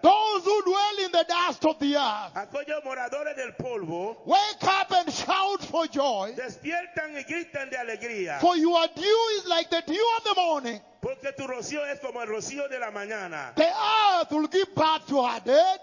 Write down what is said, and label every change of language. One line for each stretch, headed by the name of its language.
English: Those who dwell in the dust of the earth,
Spanish: aquellos moradores del polvo,
English: wake up and shout for joy,
Spanish: despiertan y gritan de alegría,
English: for your dew is like the dew of the morning.
Spanish: Porque tu rocío es como el rocío de la mañana.
English: The earth will give birth to her dead.